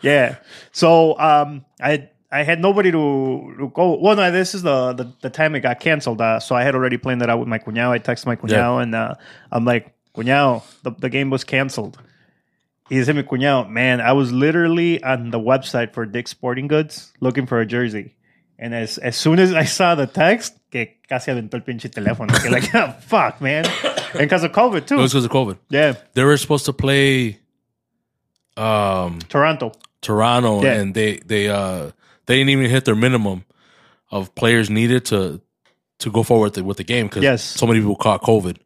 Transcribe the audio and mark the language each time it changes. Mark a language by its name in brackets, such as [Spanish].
[English] Yeah. So I had nobody to go. Well, no, this is the time it got canceled. So I had already planned that out with my cuñado. I texted my cuñado and I'm like, cuñado, the game was canceled. He said, mi cuñado, man, I was literally on the website for Dick's Sporting Goods looking for a jersey. And as soon as I saw the text, [Spanish] que casi aventó el pinche teléfono. [English] Que like, oh, fuck, man. And because of COVID, too. It was because of COVID. Yeah. They were supposed to play Toronto. Yeah. And they didn't even hit their minimum of players needed to go forward with the game because so many people caught COVID.